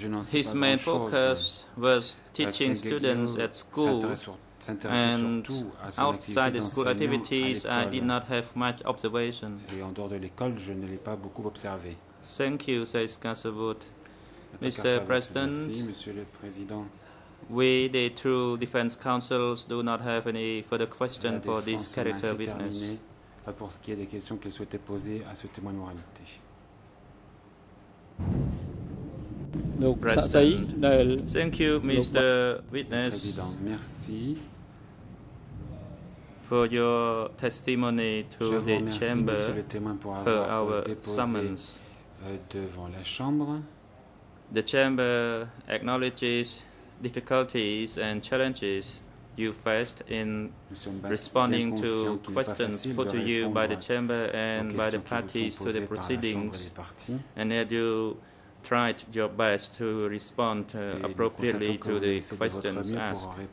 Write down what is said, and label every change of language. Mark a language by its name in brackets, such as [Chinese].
[English] His main focus was teaching students at school, and outside the school activities, I did not have much observation. Thank you, says Kasavut. Mr. President, we, the two defense counsels, do not have any further questions for this character witness. [French] Pas pour ce qui est des questions qu'elle souhaitait poser à ce témoin de moralité. Donc, [English] thank you, Mr. Witness. [French] Président, merci [English] for your testimony to the chamber. [French] Je vous remercie, Monsieur le témoin, pour avoir déposé summons devant la chambre. [English] The chamber acknowledges difficulties and challenges you faced in responding to questions put to you by the chamber and by the parties to the proceedings, and that you tried your best to respond appropriately to the questions asked.